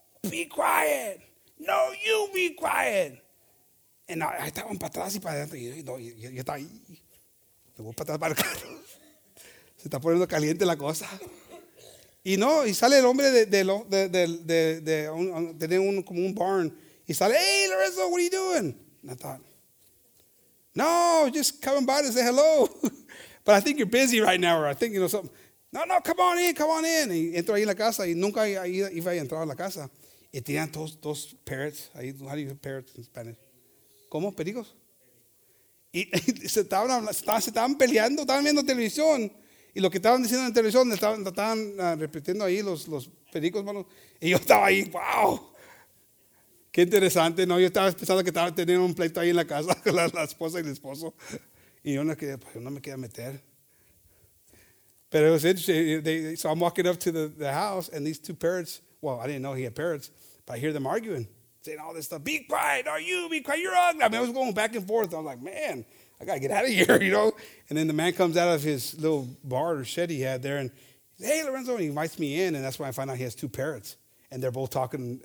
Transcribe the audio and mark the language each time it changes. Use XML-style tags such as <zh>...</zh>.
<en>Be quiet. No, you be quiet.</en> <es>Y estaban para atrás y para adelante. Y yo estaba ahí. Me voy para atrás para el carro. Se está poniendo caliente la cosa. Y no, y sale el hombre de tener como un barn. Y sale,</es> <en>hey, Lorenzo, what are you doing? And I thought, no, just coming by to say hello. But I think you're busy right now. Or I think, you know, something. No, come on in.</en> <es>Y entro ahí en la casa y nunca iba a entrar a la casa. Y tenían dos parrots.</es> <en>Ahí, how do you say parrots in Spanish?</en> <es>¿Cómo? ¿Perigos? Y se estaban peleando, estaban viendo televisión. Y lo que estaban diciendo en televisión, estaban repitiendo ahí los perigos, hermano. Y yo estaba ahí, wow. Qué interesante, ¿no? Yo estaba pensando que estaba teniendo un pleito ahí en la casa con la esposa y el esposo. Y yo no me quería meter.</es> <en>But it was interesting. So I'm walking up to the house, and these two parrots, well, I didn't know he had parrots, but I hear them arguing, saying all this stuff. Be quiet, are you? Be quiet, you're ugly. I mean, I was going back and forth. I was like, man, I got to get out of here, you know? And then the man comes out of his little bar or shed he had there, and says, hey, Lorenzo, and he invites me in, and that's when I find out he has two parrots. And they're both talking.</en>